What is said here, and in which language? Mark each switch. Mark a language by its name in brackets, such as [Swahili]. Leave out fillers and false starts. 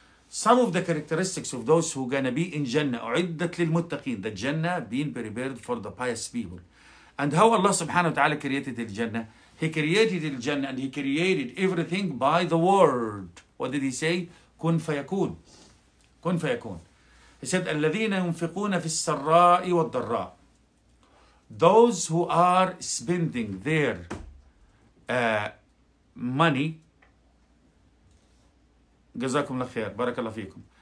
[English] Some of the characteristics of those who are going to be in Jannah, [Arabic] u'iddat lil muttaqin, [English] the Jannah being prepared for the pious people. And how Allah subhanahu wa ta'ala created the Jannah? He created the Jannah and he created everything by the word. What did he say? [Arabic] Kun fayakun. Kun fayakun. [English] He said, [Arabic] الَّذِينَ يُنْفِقُونَ فِي السَّرَّاءِ وَالضَّرَّاءِ. [English] Those who are spending their money, [Arabic] جزاكم الله خير, بارك الله فيكم.